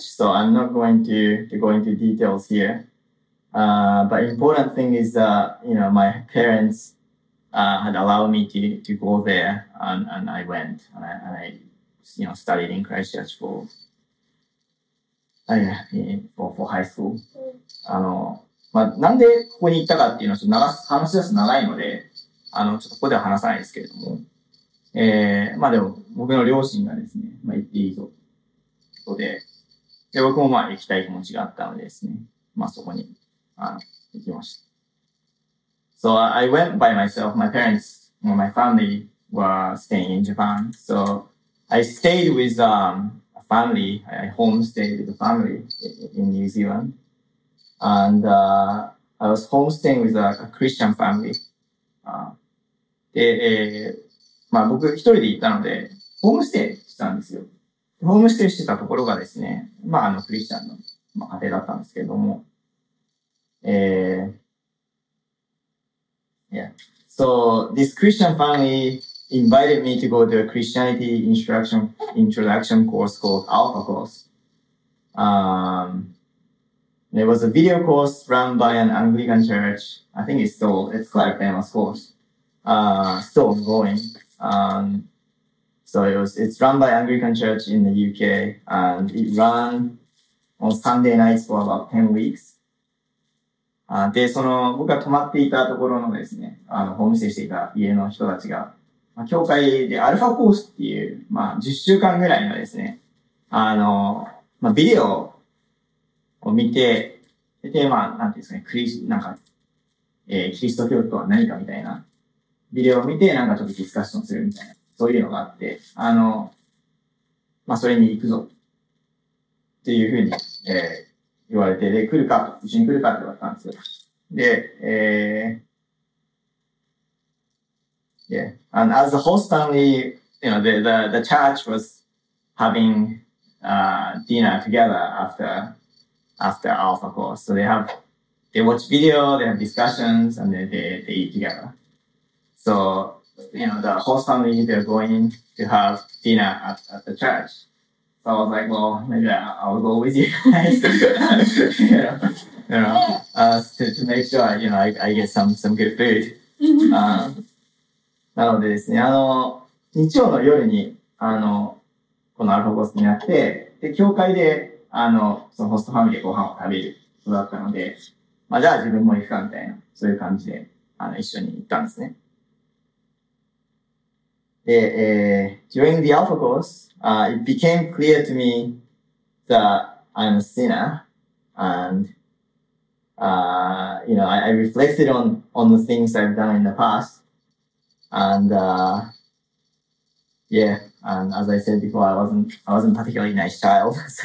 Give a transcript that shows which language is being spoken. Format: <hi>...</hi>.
<en>So I'm not going to go into details here. But important thing is that, you know, my parents, had allowed me to go there and I went and I you know, studied in Christchurch for high school.</en> <ja>なんでここに行ったかっていうのはちょっと長、話し出すと長いので、ちょっとここでは話さないですけれども。でも、僕の両親がですね、行っていいぞ、ということで、で、僕も行きたい気持ちがあったのでですね、そこに、行きました。</ja> <en>So I went by myself. My parents, well, my family were staying in Japan. So I stayed with, a family. I homestayed with a family in New Zealand. And, I was homestaying with a Christian family.</en> <ja>で、僕一人で行ったので、ホームステイしたんですよ。ホームステイしてたところがですね、クリスチャンの、家庭だったんですけれども、</ja> <en>So, this Christian family invited me to go to a Christianity introduction course called Alpha Course. There was a video course run by an Anglican church. I think it's quite a famous course. Still going. It's run by Anglican church in the UK and it ran on Sunday nights for about 10 weeks.</en> <ja>で、その、僕が泊まっていたところのですね、ホームステイしていた家の人たちが、教会でアルファコースっていう、10週間ぐらいのですね、ビデオを見て、で、なんていうんですかね、キリスト教とは何かみたいな、ビデオを見て、なんかちょっとディスカッションするみたいな、そういうのがあって、それに行くぞ、っていうふうに、言われて、で、来るか、一緒に来るかって言われたんですよ。</ja> <en>で、And as the host family, you know, the church was having, dinner together after Alpha course. So they watch video, they have discussions, and then they eat together. So, you know, the host family, they're going to have dinner at the church. So I was like, well, maybe I'll go with you guys. to make sure, you know, I get some good food.</en> <ja>なのでですね、日曜の夜に、このアルファコースになって、で、教会で、そのホストファミリーでご飯を食べる、そうだったので、じゃあ自分も行くかみたいな、そういう感じで、一緒に行ったんですね。</ja> <en>で、during the Alpha course,it became clear to me that I'm a sinner. And, you know, I reflected on the things I've done in the past. And, And as I said before, I wasn't particularly a nice child.</en>